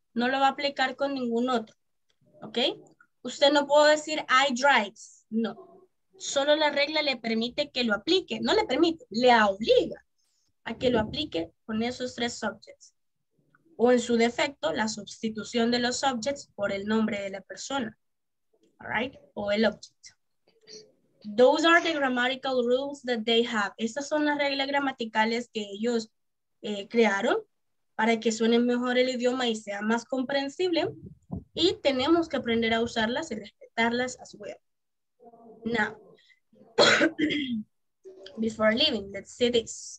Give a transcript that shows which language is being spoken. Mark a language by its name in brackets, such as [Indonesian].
[Spanish] No lo va a aplicar con ningún otro. ¿Ok? Usted no puede decir [English] I drives. [Spanish] No. solo la regla le permite que lo aplique, no le permite, le obliga a que lo aplique con esos tres subjects. O en su defecto, la sustitución de los subjects por el nombre de la persona, [English] all right? [Spanish] O el object. [English] Those are the grammatical rules that they have. [Spanish] Estas son las reglas gramaticales que ellos crearon para que suene mejor el idioma y sea más comprensible. Y tenemos que aprender a usarlas y respetarlas [English] as well. Now, before leaving, let's see this.